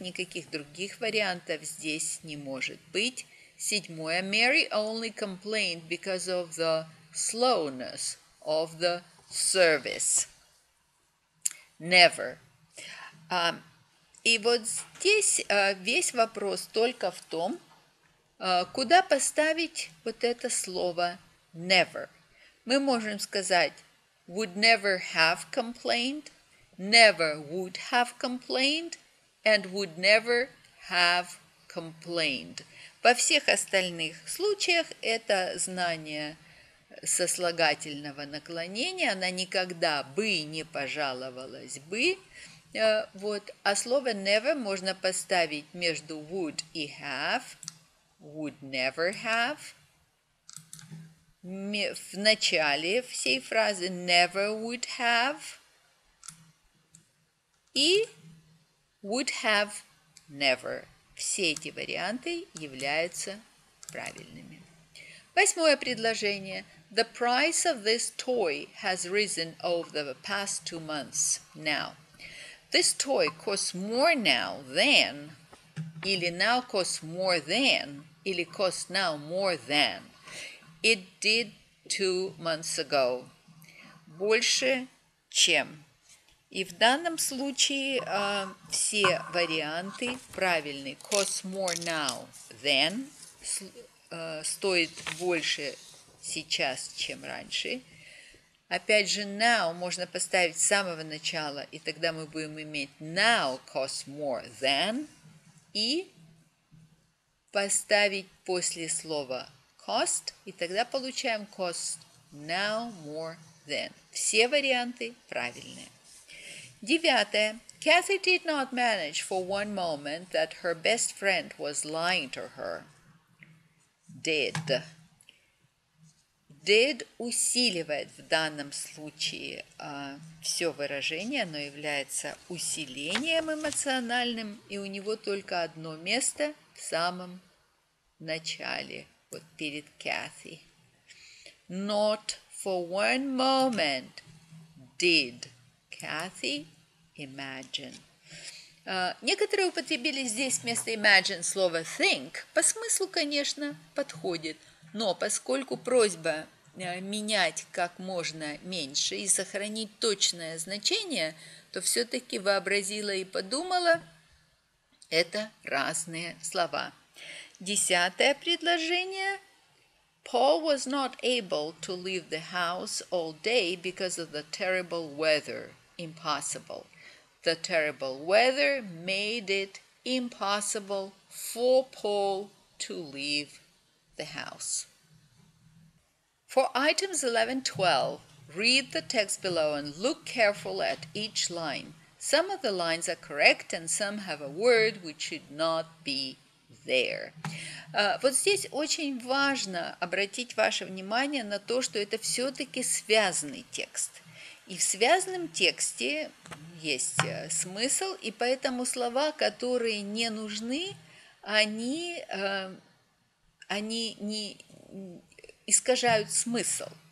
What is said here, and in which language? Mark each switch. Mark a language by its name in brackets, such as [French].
[Russian] Никаких других вариантов здесь не может быть. Седьмое. [English] Mary only complained because of the slowness of the service. Never. [Russian] И вот здесь весь вопрос только в том, куда поставить вот это слово never. Мы можем сказать [English] would never have complained, never would have complained, and would never have complained. [Russian] Во всех остальных случаях это знание сослагательного наклонения, она никогда бы не пожаловалась бы. Вот. А слово never можно поставить между would и have, [English] would never have. [Russian] В начале всей фразы [English] never would have и would have never. [Russian] Все эти варианты являются правильными. Восьмое предложение. [English] The price of this toy has risen over the past 2 months now. This toy costs more now than, [Russian] или [English] now costs more than, или costs now more than it did 2 months ago. [Russian] Больше, чем. И в данном случае все варианты правильны. [English] Costs more now than, [Russian] стоит больше сейчас, чем раньше. Опять же, now можно поставить с самого начала, и тогда мы будем иметь [English] now costs more than, [Russian] и поставить после слова cost, и тогда получаем [English] cost now more than. [Russian] Все варианты правильные. Девятое. [English] Kathy did not manage for one moment that her best friend was lying to her. Did. [Russian] Did усиливает в данном случае все выражение, оно является усилением эмоциональным, и у него только одно место в самом начале, вот перед Кэти. [English] Not for one moment did Кэти imagine. [Russian] Некоторые употребили здесь вместо imagine слово think. По смыслу, конечно, подходит, но поскольку просьба менять как можно меньше и сохранить точное значение, то все-таки вообразила и подумала, это разные слова. Десятое предложение. [English] Paul was not able to leave the house all day because of the terrible weather. Impossible. The terrible weather made it impossible for Paul to leave the house. For items 11-12, read the text below and look carefully at each line. Some of the lines are correct and some have a word which should not be there. [Russian] Вот здесь очень важно обратить ваше внимание на то, что это все-таки связанный текст. И в связанном тексте есть смысл, и поэтому слова, которые не нужны, они не искажают смысл.